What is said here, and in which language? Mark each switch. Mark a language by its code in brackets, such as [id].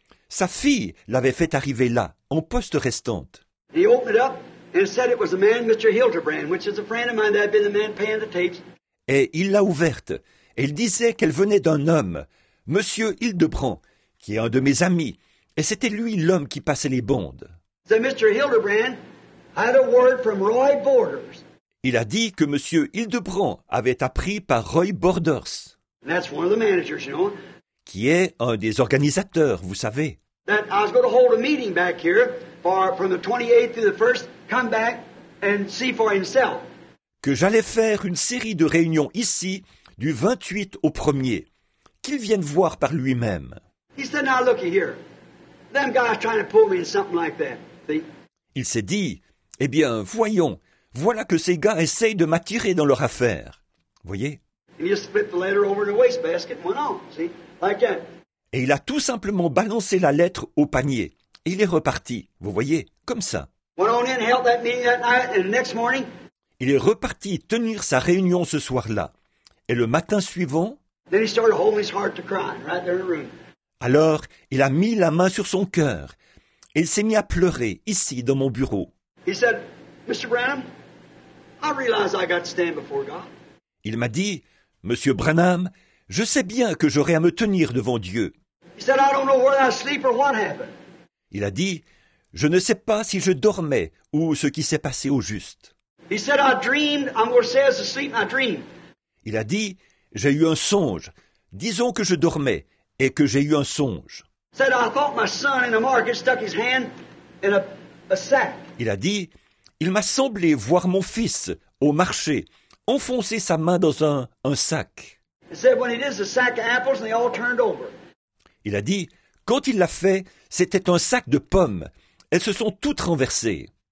[fr] Sa fille l'avait fait arriver là, en poste restante. Il a ouvert. [en] And said it was a man, Mr. Hildebrand, which is a friend of mine that had been the man paying the tapes. [fr] Et il l'a ouverte. Et il disait qu'elle venait d'un homme, Monsieur Hildebrand, qui est un de mes amis. Et c'était lui l'homme qui passait les bandes. [en] Said Mr. Hildebrand had a word from Roy Borders. [fr] Il a dit que Monsieur Hildebrand avait appris par Roy Borders. [en] And that's one of the managers, you know. [fr] Qui est un des organisateurs, vous savez. [en] That I was going to hold a meeting back here for from the 28th to the 1st. Come back and see for himself. [fr] Que j'allais faire une série de réunions ici du 28 au 1er. Qu'il vienne voir par lui-même. [en] He said, now looky here. Them guys trying to pull me in something like that. See? [fr] Il s'est dit, eh bien, voyons, voilà que ces gars essayent de m'attirer dans leur affaire. Voyez? [en] And he just split the letter over in the wastebasket and went on, see? Like that. [fr] Et il a tout simplement balancé la lettre au panier. Et il est reparti, vous voyez, comme ça. [en] Went on in, held that meeting that night, and the next morning, [fr] il est reparti tenir sa réunion ce soir-là. Et le matin suivant, [en] then he started holding his heart to cry right there in the room. [fr] Alors, il a mis la main sur son cœur. Et il s'est mis à pleurer ici dans mon bureau. [en] He said, Mr. Branham, I realize I got to stand before God. [fr] Il m'a dit, Monsieur Branham, je sais bien que j'aurai à me tenir devant Dieu. [en] He said, I don't know whether I sleep or what happened. [fr] Il a dit, je ne sais pas si je dormais ou ce qui s'est passé au juste. [en] He said, I dreamed, I'm going to say I was asleep and I dreamed. [fr] Il a dit, j'ai eu un songe. Disons que je dormais et que j'ai eu un songe. [en] He said, I thought my son in the market stuck his hand in a sack. [fr] Il a dit, il m'a semblé voir mon fils au marché enfoncer sa main dans un sac. [en] He said, when he did, it's a sack of apples and they all turned over. [fr] Il a dit, quand il l'a fait, c'était un sac de pommes. Elles se sont toutes renversées.